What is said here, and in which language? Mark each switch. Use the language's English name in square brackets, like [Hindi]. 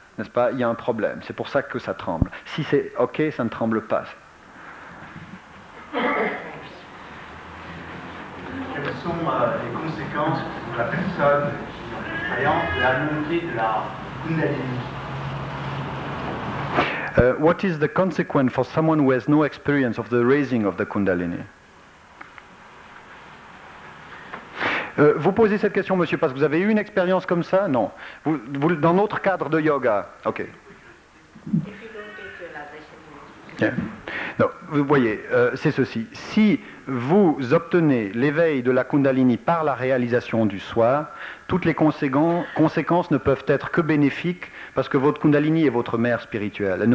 [French] N'est-ce pas? Il y a un problème. C'est pour ça que ça tremble. Si c'est OK, ça ne tremble pas. Quelles sont les conséquences pour la personne qui est ayant la montée de la Kundalini? [English] What is the consequence for someone who has no experience of the raising of the Kundalini? [French] Vous posez cette question, monsieur, parce que vous avez eu une expérience comme ça? Non. Vous, dans notre cadre de yoga? Ok. [English] Yeah. [French] Non, vous voyez, c'est ceci. Si vous obtenez l'éveil de la Kundalini par la réalisation du soi, toutes les conséquences ne peuvent être que bénéfiques parce que votre Kundalini est votre mère spirituelle.